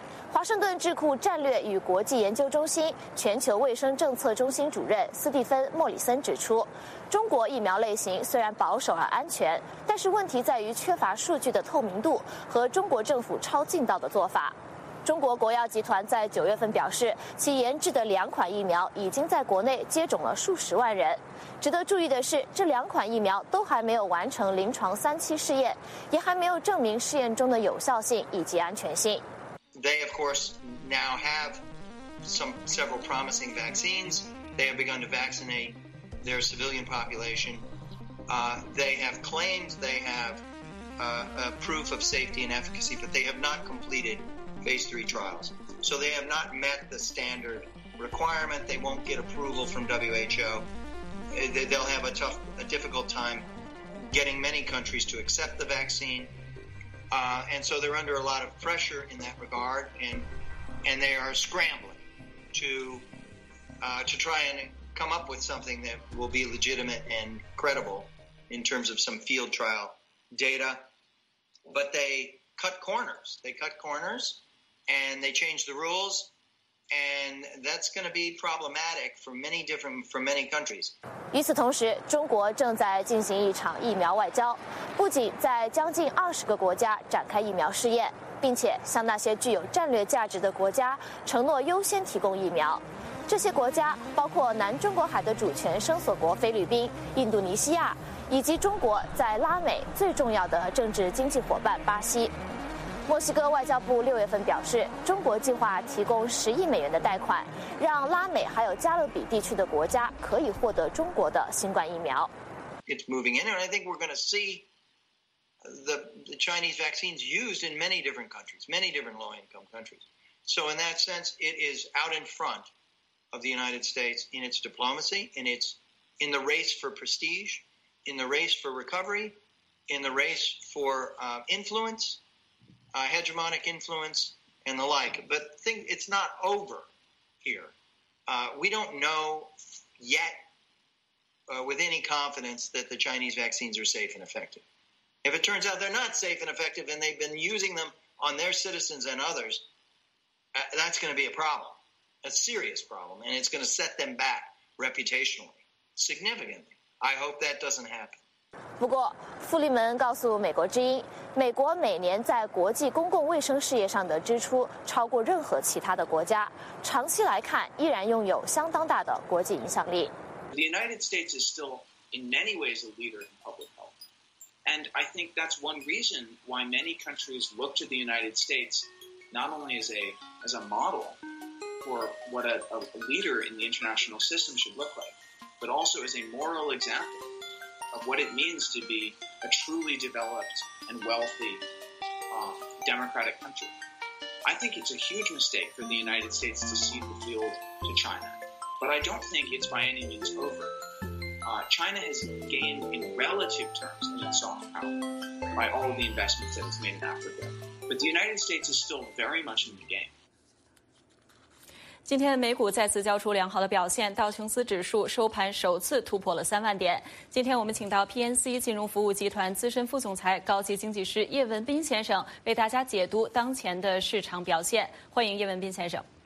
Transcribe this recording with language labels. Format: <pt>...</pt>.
<zh>华盛顿智库战略与国际研究中心全球卫生政策中心主任斯蒂芬·莫里森指出，中国疫苗类型虽然保守而安全，但是问题在于缺乏数据的透明度和中国政府抄近道的做法。中国国药集团在九月份表示，其研制的两款疫苗已经在国内接种了数十万人。值得注意的是，这两款疫苗都还没有完成临床三期试验，也还没有证明试验中的有效性以及安全性。</zh> <en>They, of course, now have several promising vaccines. They have begun to vaccinate their civilian population. They have claimed they have a proof of safety and efficacy, but they have not completed phase 3 trials. So they have not met the standard requirement. They won't get approval from WHO. They'll have a difficult time getting many countries to accept the vaccine. And so they're under a lot of pressure in that regard, and they are scrambling to try and come up with something that will be legitimate and credible in terms of some field trial data. But they cut corners. They cut corners, and they change the rules, and that's going to be problematic for many countries.</en> <zh>与此同时，中国正在进行一场疫苗外交，不仅在将近20个国家展开疫苗试验，并且向那些具有战略价值的国家承诺优先提供疫苗。这些国家包括南中国海的主权生索国菲律宾、印度尼西亚，以及中国在拉美最重要的政治经济伙伴巴西。墨西哥外交部六月份表示，中国计划提供10亿美元的贷款，让拉美还有加勒比地区的国家可以获得中国的新冠疫苗。</zh> <en>It's moving in, and I think we're going to see the Chinese vaccines used in many different countries, many different low-income countries. So in that sense, it is out in front of the United States in its diplomacy, in the race for prestige, in the race for recovery, in the race for influence, hegemonic influence, and the like. But think, it's not over here. We don't know yet with any confidence that the Chinese vaccines are safe and effective. If it turns out they're not safe and effective and they've been using them on their citizens and others, that's going to be a problem, a serious problem, and it's going to set them back reputationally, significantly. I hope that doesn't happen.</en> <zh>不过，傅立门告诉美国之音，美国每年在国际公共卫生事业上的支出超过任何其他的国家，长期来看依然拥有相当大的国际影响力。</zh> <en>The United States is still in many ways a leader in public health. And I think that's one reason why many countries look to the United States not only as a model for what a leader in the international system should look like, but also as a moral example of what it means to be a truly developed and wealthy democratic country. I think it's a huge mistake for the United States to cede the field to China. But I don't think it's by any means over. China has gained in relative terms in soft power by all of the investments that it's made in Africa. But the United States is still very much in the game.</en> <zh>今天美股再次交出良好的表现，道琼斯指数收盘首次突破了30,000点。今天我们请到 PNC 金融服务集团资深副总裁、高级经济师叶文斌先生为大家解读当前的市场表现。欢迎叶文斌先生。</zh>